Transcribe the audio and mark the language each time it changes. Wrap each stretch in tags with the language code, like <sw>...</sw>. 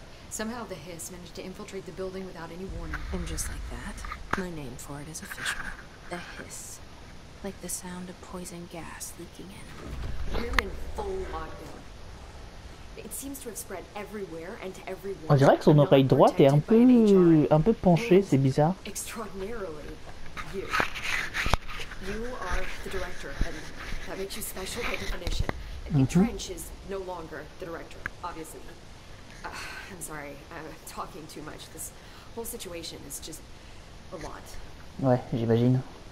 <en>Somehow the hiss managed to infiltrate the building without any warning. And just like that, my name for it is official. The hiss. Like the sound of poison gas leaking in. We're in full lockdown. It seems to have spread everywhere and to everyone.</en> <fr>On dirait que son oreille droite est un peu penchée, c'est bizarre.</fr> <en>Extraordinarily, you. You are the director, and that makes you special by definition. Mm-hmm. Trench is no longer the director, obviously. I'm sorry, I'm talking too much. This whole situation is just a lot.</en> <fr>Ouais, j'imagine.</fr>